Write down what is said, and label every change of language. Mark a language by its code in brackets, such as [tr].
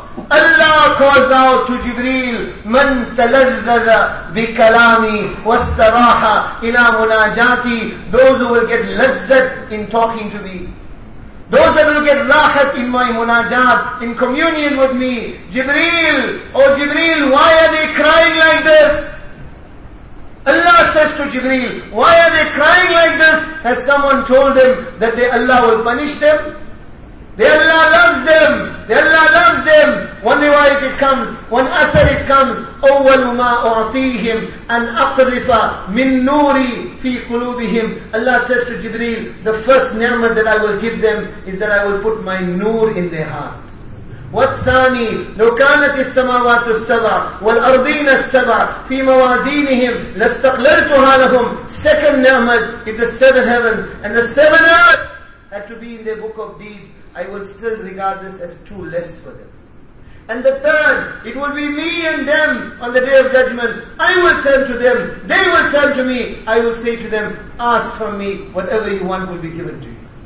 [en] Allah calls out to Jibreel, [ar] من تلذذ بكلامي واستراح إلى مناجاتي. [en] Those who will get lazzat in talking to me, those that will get rahat in my munajat, in communion with me. Jibreel, oh Jibreel, why are they crying like this? Allah says to Jibreel, why are they crying like this? Has someone told them that Allah will punish them? Allah loves them. One riwayat it comes, one athar it comes. [ar] أول ما أعطيهم أن أقرف من نوري في قلوبهم. [en] Allah says to Jibreel, the first ni'mat that I will give them is that I will put my noor in their heart. [ar] والثاني لو كانت السماوات السبع والأرضين السبع في موازينهم لاستقللتها لهم. [en] Second ni'mat, if the seven heavens and the seven earth had to be in their book of deeds, I would still regard this as too less for them. And the third, it will be me and them on the day of judgment. I will turn to them, they will turn to me. I will say to them, ask from me, whatever you want will be given to you.